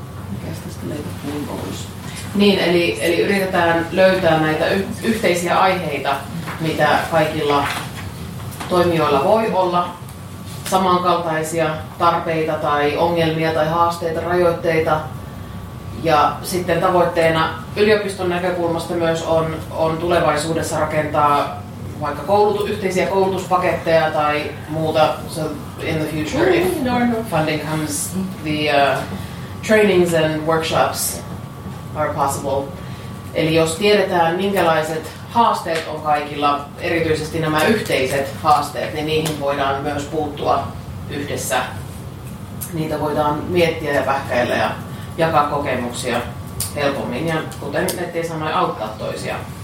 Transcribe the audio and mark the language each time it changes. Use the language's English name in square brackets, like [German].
[Finnish] Mikäs tästä leikattiin pois? Niin, eli yritetään löytää näitä yhteisiä aiheita, mitä kaikilla toimijoilla voi olla samankaltaisia tarpeita tai ongelmia tai haasteita, rajoitteita. Ja sitten tavoitteena yliopiston näkökulmasta myös on tulevaisuudessa rakentaa vaikka yhteisiä koulutuspaketteja tai muuta. [English] So in the future, if funding comes, the trainings and workshops are possible. [Finnish] Eli jos tiedetään, minkälaiset haasteet on kaikilla, erityisesti nämä yhteiset haasteet, niin niihin voidaan myös puuttua yhdessä. Niitä voidaan miettiä ja pähkäillä ja jakaa kokemuksia helpommin ja, kuten ettei sanoi, auttaa toisia.